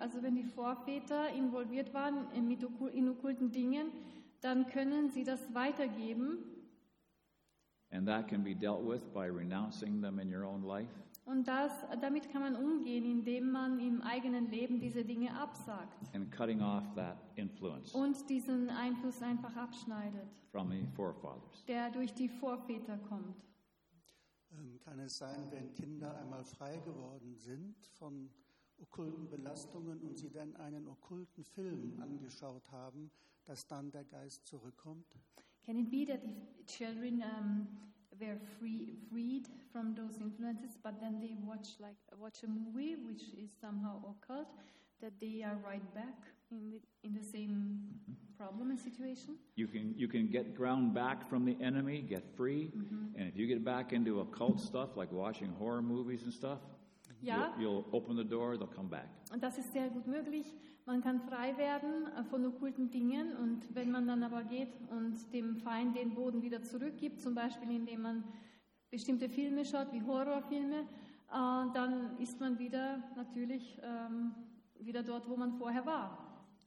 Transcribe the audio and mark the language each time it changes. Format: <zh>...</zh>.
<de>Also wenn die Vorväter involviert waren in okkulten Dingen, dann können sie das weitergeben.</de> <en>And that can be dealt with by renouncing them in your own life.</en> <de>Und das, damit kann man umgehen, indem man im eigenen Leben diese Dinge absagt.</de> <en>And cutting off that influence.</en> <de>Und diesen Einfluss einfach abschneidet.</de> <en>From the forefathers.</en> <de>Der durch die Vorväter kommt. Kann es sein, wenn Kinder einmal frei geworden sind von okkulten Belastungen und Sie dann einen okkulten Film angeschaut haben, dass dann der Geist zurückkommt?</de> <en>Can it be that the children were freed from those influences, but then they watch a movie which is somehow occult, that they are right back in the same problem and situation? You can get ground back from the enemy, get free, mm-hmm. and if you get back into occult stuff like watching horror movies and stuff, yeah. you'll open the door, they'll come back.</en> <de>Und das ist sehr gut möglich. Man kann frei werden von okkulten Dingen und wenn man dann aber geht und dem Feind den Boden wieder zurückgibt, zum Beispiel indem man bestimmte Filme schaut, wie Horrorfilme, dann ist man wieder natürlich wieder dort, wo man vorher war.</de>